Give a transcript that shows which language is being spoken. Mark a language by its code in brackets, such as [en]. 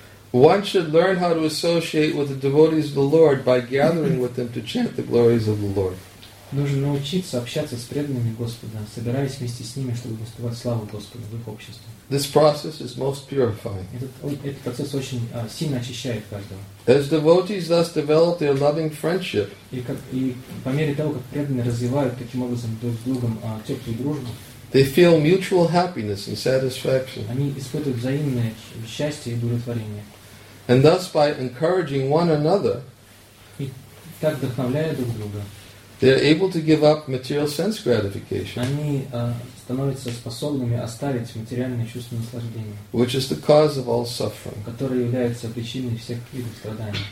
[en] One should learn how to associate with the devotees of the Lord by gathering with them to chant the glories of the Lord. [ru] Нужно научиться общаться с преданными Господа, собираясь вместе с ними, чтобы воспевать славу Господа в их обществе. [en] This process is most purifying. [ru] Этот процесс очень сильно очищает каждого. [en] As devotees thus develop their loving friendship. [ru] И по мере того, как преданные развивают таким образом друг с другом теплую дружбу. [en] They feel mutual happiness and satisfaction. [ru] Они испытывают взаимное счастье и удовлетворение. [en] And thus, by encouraging one another, [ru] и так вдохновляя друг друга, [en] they are able to give up material sense gratification. [ru] Они становятся способными оставить материальные чувства наслаждения, [en] which is the cause of all suffering. [ru] Которые являются причиной всех видов страданий.